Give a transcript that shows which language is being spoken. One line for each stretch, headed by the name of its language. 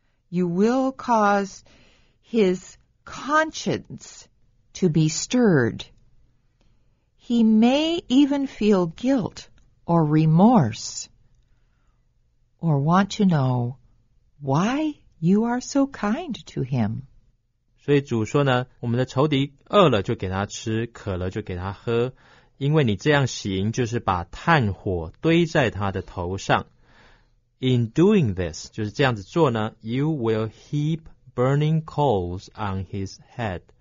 English: You will cause his conscience to be stirred. He may even feel guilt or remorse or want to know why you are so kind to him.
Chinese: 所以主说呢，我们的仇敌饿了就给他吃，渴了就给他喝，因为你这样行就是把炭火堆在他的头上。
English: In doing this,
Chinese: 就是这样子做呢
English: ,you will heap burning coals on his head.